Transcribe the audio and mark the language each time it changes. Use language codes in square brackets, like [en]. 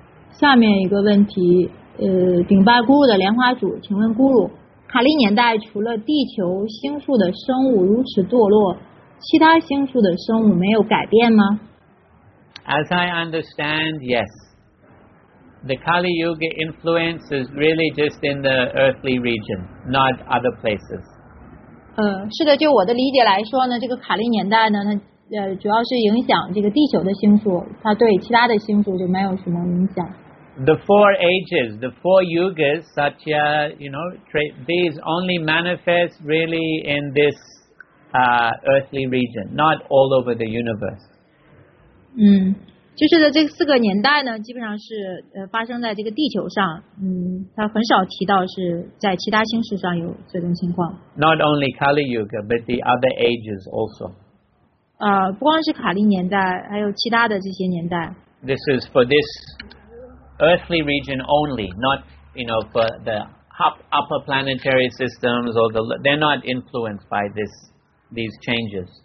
[zh] 下面一个问题，顶巴咕噜的莲花主，请问咕噜，卡利年代除了地球星宿的生物如此堕落，其他星宿的生物没有改变吗？ [en] As I understand, yes. The Kali Yuga influence is really just in the earthly region, not other places. [zh] 是的，就我的理解来说呢，这个卡利年代呢，它主要是影响这个地球的星宿，它对其他的星宿就没有什么影响。 [en] The four ages, the four yugas, Satya, you know, these only manifest really in this earthly region, not all over the universe. [zh] 就是的，这四个年代呢，基本上是发生在这个地球上，它很少提到是在其他星宿上有这种情况。 [en] Not only Kali Yuga, but the other ages also. [zh] 不光是卡利年代，还有其他的这些年代。 [en] This is for this earthly region only, not, you know, for the upper planetary systems or they're not influenced by these changes.